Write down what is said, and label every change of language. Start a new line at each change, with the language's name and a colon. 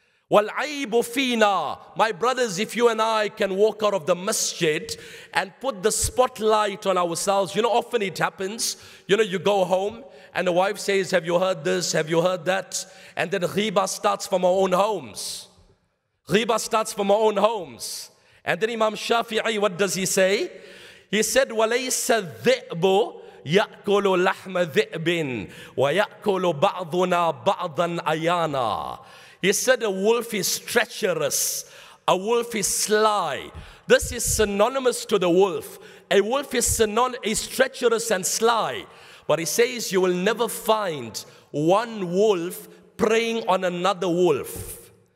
Arabic: وَالْعَيْبُ فِينَا,
English: my brothers, if you and I can walk out of the masjid and put the spotlight on ourselves, you know, often it happens, you know, you go home and the wife says, have you heard this, have you heard that? And then ghibah starts from our own homes. Ghibah starts from our own homes. And then Imam Shafi'i, what does he say? He said,
Arabic: وَلَيْسَ الذِّئْبُ يَأْكُلُ لَحْمَ ذِئْبٍ وَيَأْكُلُ بَعْضُنَا بَعْضًا أَيَانًا.
English: He said a wolf is treacherous, a wolf is sly. This is synonymous to the wolf. A wolf is treacherous and sly. But he says you will never find one wolf preying on another wolf.